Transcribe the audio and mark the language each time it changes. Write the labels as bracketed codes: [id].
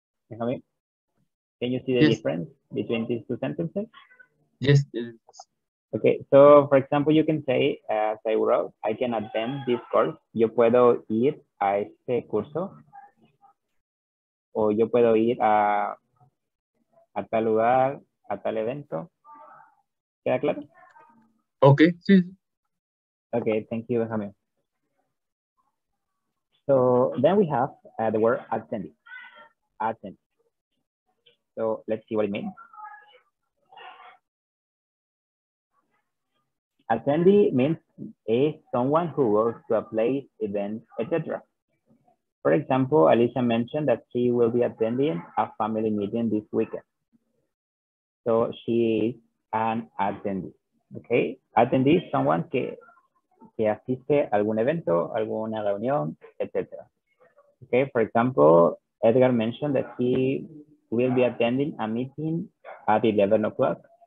[es] Déjame. [en] Can you see the difference between these two sentences? Yes. Okay, so for example, you can say, as I wrote, I can attend this course. [es] Yo puedo ir a este curso. O yo puedo ir a tal lugar, a tal evento. ¿Queda claro? Okay, sí. [en] Okay, thank you, Benjamin. So then we have the word attending. Attend. So let's see what it means. Attendee means is someone who goes to a place, event, etc. For example, Alicia mentioned that she will be attending a family meeting this weekend. So she is an attendee, okay? Attendee is someone [es] que asiste a algún evento, alguna reunión, etc. [en] Okay, for example, Edgar mentioned that he will be attending a meeting at 11 o'clock.